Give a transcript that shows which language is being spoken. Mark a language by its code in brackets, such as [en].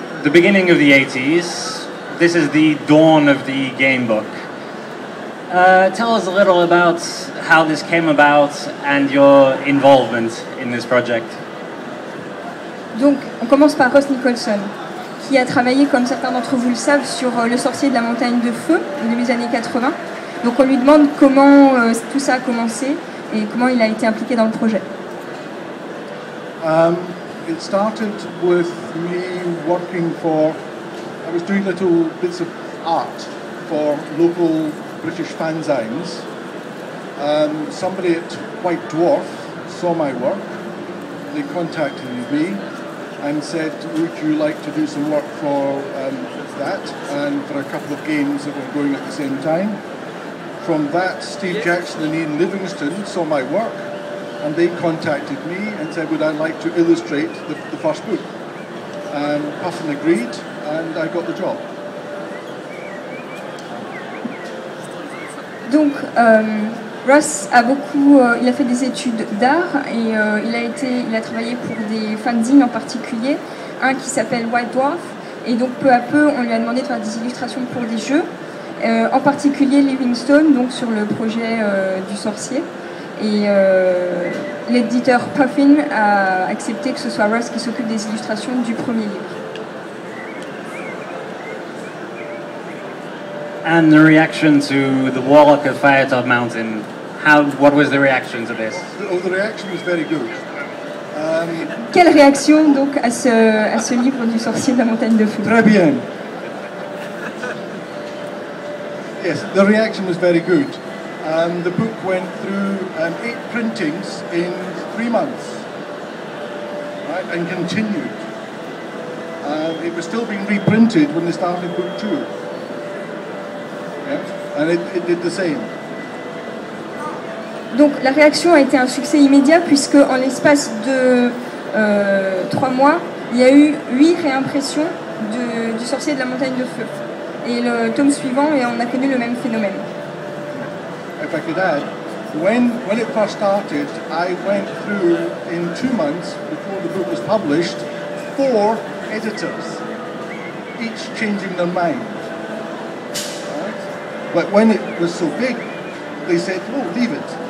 [en] the beginning of the 80s, this is the dawn of the game book. Tell us a little about how this came about and your involvement in this project. [fr] Donc, on commence par Russ Nicholson, qui a travaillé, comme certains d'entre vous le savent, sur Le Sorcier de la Montagne de Feu, au début des années 80. Donc on lui demande comment tout ça a commencé et comment il a été impliqué dans le projet. [en] It started with me working for, I was doing little bits of art for local British fanzines. Somebody at White Dwarf saw my work. They contacted me and said, would you like to do some work for that and for a couple of games that were going at the same time? From that, Steve Jackson and Ian Livingston saw my work. And they contacted me and said, would I like to illustrate the first book? And Puffin agreed, and I got the job. [fr] Donc, Russ a beaucoup, il a fait des études d'art, et il a travaillé pour des fanzines en particulier, un qui s'appelle White Dwarf, et donc peu à peu, on lui a demandé de faire des illustrations pour des jeux, en particulier Livingstone, donc sur le projet du sorcier. Et l'éditeur Puffin a accepté que ce soit Russ qui s'occupe des illustrations du premier livre. [en] And the reaction to the Warlock of Firetop Mountain, what was the reaction to this? Oh, the reaction was very good. [fr] Quelle réaction donc à ce livre du sorcier de la montagne de feu? Très bien. [en] Yes, the reaction was very good. And the book went through 8 printings in 3 months, right, and continued. It was still being reprinted when they started book 2, yeah, and it did the same. Donc la réaction a été un succès immédiat puisque en l'espace de 3 mois, il y a eu 8 réimpressions du Sorcier de la Montagne de Feu, et le tome suivant, et on a connu le même phénomène. If I could add, when it first started, I went through in 2 months before the book was published, 4 editors, each changing their mind. Right? But when it was so big, they said, "Oh, leave it."